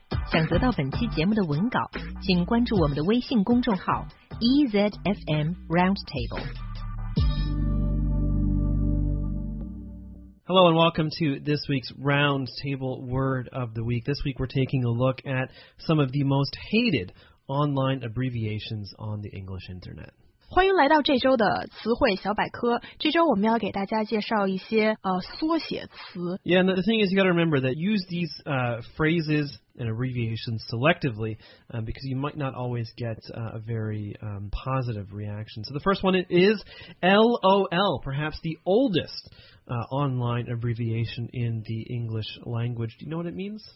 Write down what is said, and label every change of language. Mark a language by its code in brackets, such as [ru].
[zh] 想得到本期节目的文稿，请关注我们的微信公众号 EZFM Roundtable。 [en] Hello and welcome to this week's Roundtable Word of the Week. This week we're taking a look at some of the most hated online abbreviations on the English Internet. [zh] 欢迎来到这周的词汇小百科。这周我们要给大家介绍一些缩写词。 [en] Yeah, and the thing is you got to remember that use these phrases and abbreviations selectively because you might not always get a very positive reaction. So the first one is LOL, perhaps the oldest. Online abbreviation in the English language. Do you know what it means?